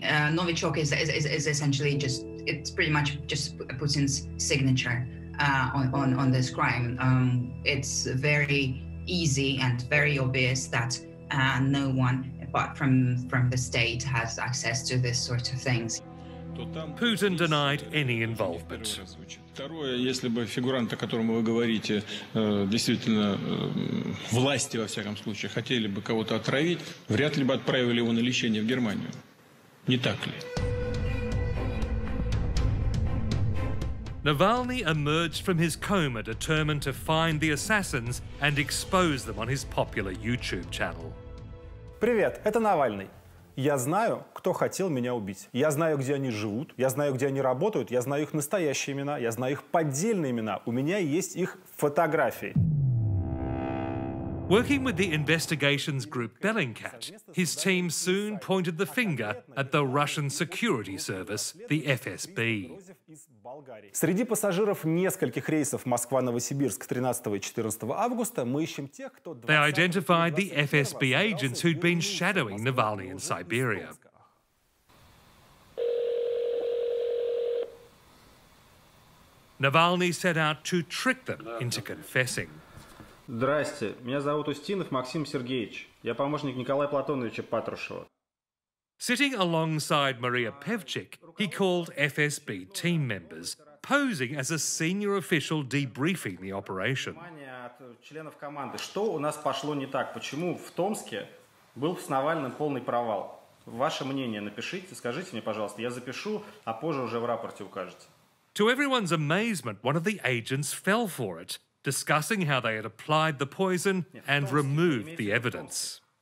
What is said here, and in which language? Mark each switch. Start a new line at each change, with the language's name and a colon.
English: Novichok is essentially just, it's pretty much just Putin's signature on this crime. It's very easy and very obvious that no one apart from the state has access to this sort of things. Путин denied any involvement.
Russian: Второе, если бы фигурант, о котором вы говорите, действительно власти, во всяком случае, хотели бы кого-то отравить, вряд ли бы отправили его на лечение в Германию. Не так ли?
English: Navalny emerged from his coma determined to find the assassins and expose them on his popular YouTube channel.
Russian: Привет, это Навальный. Я знаю, кто хотел меня убить. Я знаю, где они живут. Я знаю, где они работают. Я знаю их настоящие имена. Я знаю их поддельные имена. У меня есть их фотографии.
English: Working with the investigations group Bellingcat, his team soon pointed the finger at the Russian security service, the FSB.
Russian: Среди пассажиров нескольких рейсов Москва-Новосибирск 13 и 14 августа мы ищем тех, кто...
English: They identified the FSB agents who'd been shadowing Navalny in Siberia. Navalny set out to trick them into confessing.
Russian: Здрасте, меня зовут Устинов Максим Сергеевич. Я помощник Николая Платоновича Патрушева.
English: Sitting alongside Maria Pevchik, he called FSB team members, posing as a senior official debriefing the operation.
Russian: Членов команды, что у нас пошло не так? Почему в Томске был с Навальным полный провал? Ваше мнение напишите, скажите мне, пожалуйста, я запишу, а позже уже в рапорте укажете.
English: To everyone's amazement, one of the agents fell for it, discussing how they had applied the poison and removed the evidence.